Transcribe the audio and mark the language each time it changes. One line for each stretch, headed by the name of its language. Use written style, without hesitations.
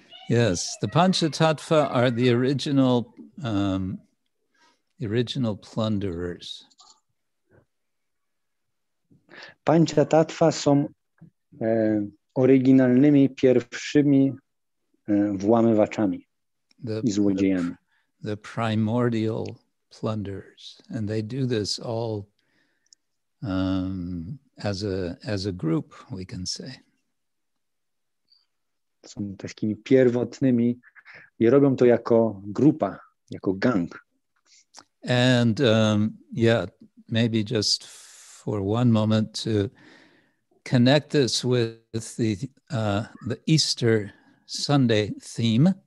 English: Yes, the Panchatattva are the original plunderers.
Polish: Panchatattva są oryginalnymi, pierwszymi włamywaczami i złodziejami.
English: The primordial plunderers, and they do this all as a group, we can say.
Polish: Są takimi pierwotnymi i robią to jako grupa, jako gang.
English: And maybe just for one moment to connect this with the Easter Sunday theme.